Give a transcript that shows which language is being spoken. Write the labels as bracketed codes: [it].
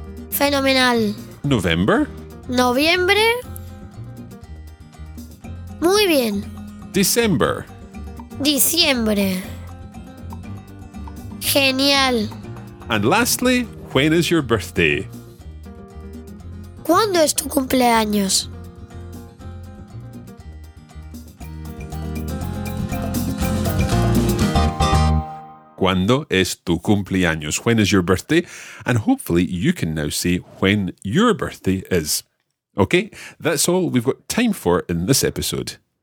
[es] Fenomenal. [en] November. [es] Noviembre. Muy bien. [en] December. [es] Diciembre. Genial. [en] And lastly, when is your birthday? [es] ¿Cuándo es tu cumpleaños? ¿Cuándo es tu cumpleaños? [en] When is your birthday? And hopefully you can now say when your birthday is. Okay, that's all we've got time for in this episode.